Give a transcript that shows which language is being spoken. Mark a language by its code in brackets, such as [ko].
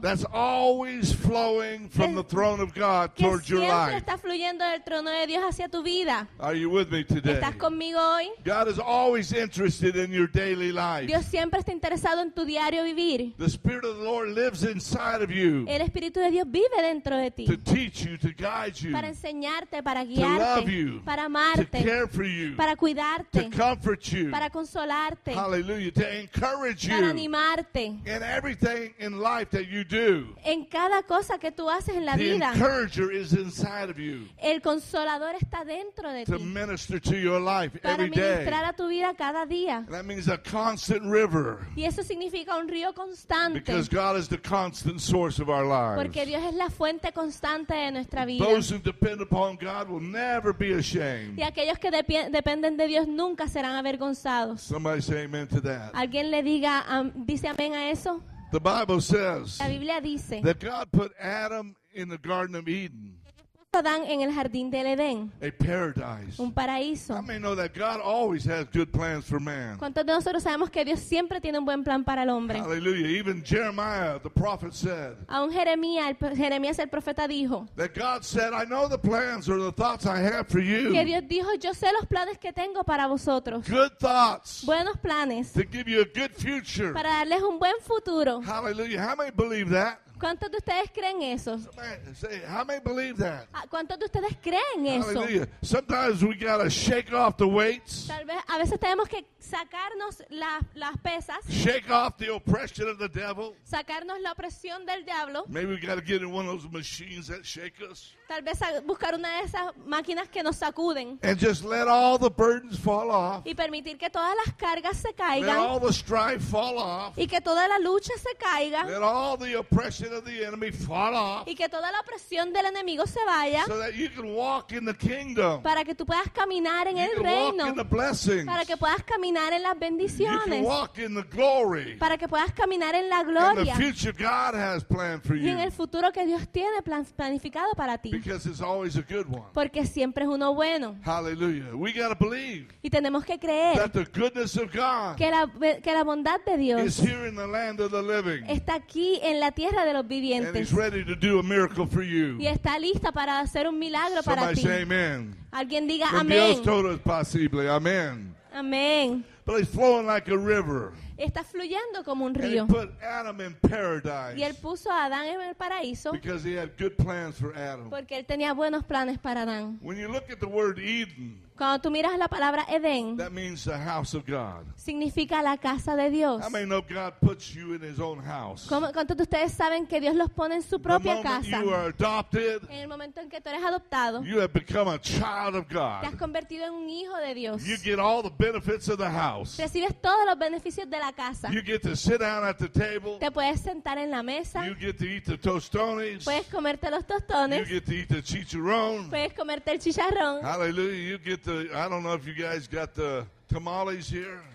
[en] that's always flowing from the throne of God towards your life. [es] Que siempre está fluyendo del trono de Dios hacia tu vida. [en] Are you with me today? [es] ¿Estás conmigo hoy? [en] God is always interested in your daily life. [es] Dios siempre está interesado en tu diario vivir. [en] The Spirit of the Lord lives inside of you. [es] El Espíritu de Dios vive dentro de ti. [en] To teach you, to guide you. [es] Para enseñarte, para guiarte. [en] To love you. [es] Para amarte. [en] To care for you. [es] Para cuidarte. [en] To comfort you. [es] Para consolarte. [en] Hallelujah. To encourage you. [es] Para animarte. [en] In everything in life that you do. [es] En cada cosa que tú haces en la [en] the [es] vida. [en] The encourager is inside of you. [es] El El consolador está dentro de ti. [en] To minister to your life every day. [es] Para ministrar a tu vida cada día. [en] That means a constant river. [es] Y eso significa un río constante. [en] Because God is the constant source of our lives. [es] Porque Dios es la fuente constante de nuestra vida. [en] Those who depend upon God will never be ashamed. [es] Y aquellos que dependen de Dios nunca serán avergonzados. [en] Somebody say amen to that. [es] Alguien le diga, dice amén a eso. [en] The Bible says. [es] La Biblia dice. [en] That God put Adam in the Garden of Eden. [es] Adán en el jardín del Edén. [en] A paradise. [es] Un paraíso. [en] How many know that God always has good plans for man? [es] ¿Cuántos de nosotros sabemos que Dios siempre tiene un buen plan para el hombre? [en] Hallelujah. Even Jeremiah, the prophet said. [es] Aún Jeremías el profeta dijo. [en] That God said, I know the plans or the thoughts I have for you. [es] Que Dios dijo, yo sé los planes que tengo para vosotros. [en] Good thoughts. [es] Buenos planes. [en] To give you a good future. [es] Para darles un buen futuro. [en] Hallelujah. How many believe that? [es] ¿Cuántos de ustedes creen eso? [en] How many believe that? [es] ¿Cuántos de ustedes creen eso? [en] Hallelujah. Sometimes we gotta shake off the weights. [es] Tal vez a veces tenemos que sacarnos las pesas. [en] Shake off the oppression of the devil. [es] Sacarnos la opresión del diablo. [en] Maybe we gotta get in one of those machines that shake us. [es] Tal vez buscar una de esas máquinas que nos sacuden. [en] And just let all the burdens fall off. [es] Y permitir que todas las cargas se caigan. [en] Let all the strife fall off. [es] Y que toda la lucha se caiga. [en] Let all the oppression of the enemy fall off. [es] Y que toda la opresión del enemigo se vaya. [en] So that you can walk in the kingdom. [es] Para que tú puedas caminar en [en] you [es] el reino. [en] You can walk in the blessings. [es] Para que puedas caminar en las bendiciones. [en] You can walk in the glory. [es] Para que puedas caminar en la gloria. [en] And the future God has planned for you. [es] Y en el futuro que Dios tiene planificado para ti. [en] Because it's always a good one. [es] Porque siempre es uno bueno. [en] Hallelujah. We got to believe. [es] Y tenemos que creer. [en] That the goodness of God. [es] Que la bondad de Dios. [en] Is here in the land of the living. [es] Está aquí en la tierra de los vivientes. [en] And he's ready to do a miracle for you. [es] Y está lista para hacer un milagro [en] somebody [es] para ti. [en] Somebody say amen. [es] Alguien diga [en] when [es] amén. Dios todo es posible. Amen. Amén. [en] But it's flowing like a river. [es] Está fluyendo como un río. [en] And he put Adam in paradise. [es] Y él puso a Adán en el paraíso. [en] Because he had good plans for Adam. [es] Porque él tenía buenos planes para Adán. [en] When you look at the word Eden. [es] Cuando tú miras la palabra Edén. [en] That means the house of God. [es] Significa la casa de Dios. [en] How many know God puts you in his own house? [es] ¿Cuántos de ustedes saben que Dios los pone en su propia casa? [en] The moment you are adopted. [es] En el momento en que tú eres adoptado. [en] You have become a child of God. [es] Te has convertido en un hijo de Dios. [en] You get all the benefits of the house. [es] Recibes todos los beneficios de la casa. [en] You get to sit down at the table. [es] Te puedes sentar en la mesa. [en] You get to eat the tostones. [es] Puedes comerte los tostones. [en] You get to eat the chicharrón. [es] Puedes comerte el chicharrón. [en] Hallelujah. You get the, I don't know if you guys got the tamales here.